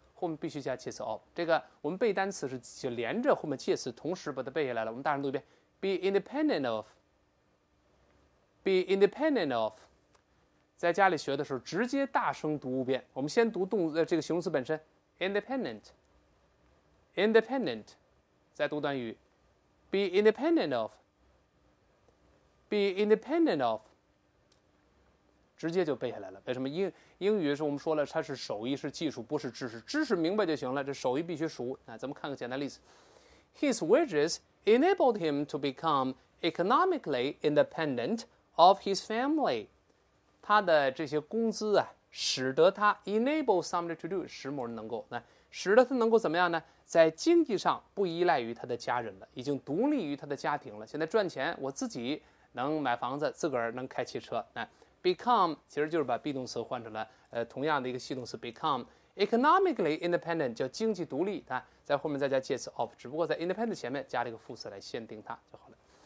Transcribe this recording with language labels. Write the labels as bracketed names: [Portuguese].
[Chinese] 后面必须加介词 of， 这个我们背单词是就连着后面介词同时把它背下来了。我们大声读一遍 ，be independent of。在家里学的时候，直接大声读五遍。我们先读动这个形容词本身 ，independent。再读短语 ，be independent of。直接就背下来了。为什么？英语是我们说了，它是手艺，是技术，不是知识。知识明白就行了，这手艺必须熟。那咱们看个简单例子 [English] ：His wages enabled him to become economically independent of his family。 [Chinese] 他的这些工资啊，使得他 enable somebody to do， 使某人能够，那使得他能够怎么样呢？在经济上不依赖于他的家人了，已经独立于他的家庭了。现在赚钱，我自己能买房子，自个儿能开汽车，那。 Become 其实就是把 be 动词换成了同样的一个系动词 become economically independent， 叫经济独立，在后面再加介词 of， 只不过在 independent 前面加了一个副词来限定它就好了。